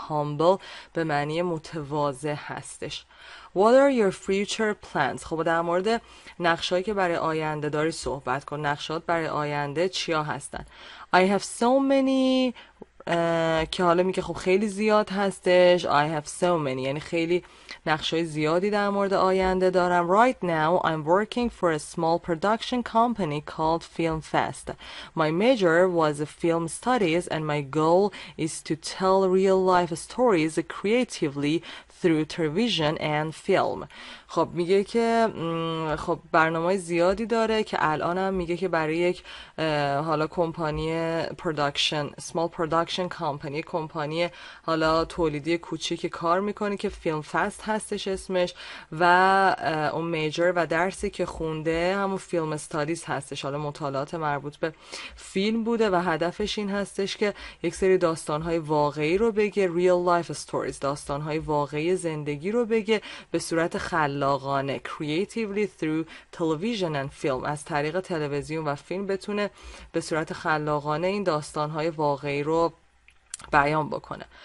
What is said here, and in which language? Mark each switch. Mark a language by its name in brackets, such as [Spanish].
[Persian] humble به معنی متواضع هستش. [English] What are your future plans؟ [Persian] خب در مورد نقشه‌ای که برای آینده داری صحبت کن. نقشات برای آینده چیا هستن؟ [English] I have so many [Persian] که حالا میگه خب خیلی زیاد هستش. [English] I have so many [Persian] یعنی خیلی نقشه‌ای زیادی در مورد آینده دارم. [English] Right now I'm working for a small production company called FilmFest. My major was film studies and my goal is to tell real life stories creatively through television and film. [Persian] خب میگه که خب برنامه‌های زیادی داره که الانم میگه که برای یک حالا کمپانی پروداکشن، سمال پروداکشن کمپانی، کمپانی حالا تولیدی کوچیک کار میکنه که فیلم فست هستش اسمش و اون میجر و درسی که خونده همون فیلم استادیز هستش، حالا مطالعات مربوط به فیلم بوده و هدفش این هستش که یک سری داستان‌های واقعی رو بگه، [English] real life stories، [Persian] داستان‌های واقعی زندگی رو بگه به صورت خلاقانه، [English] creatively through television and film، [Persian] از طریق تلویزیون و فیلم بتونه به صورت خلاقانه این داستان‌های واقعی رو بیان بکنه.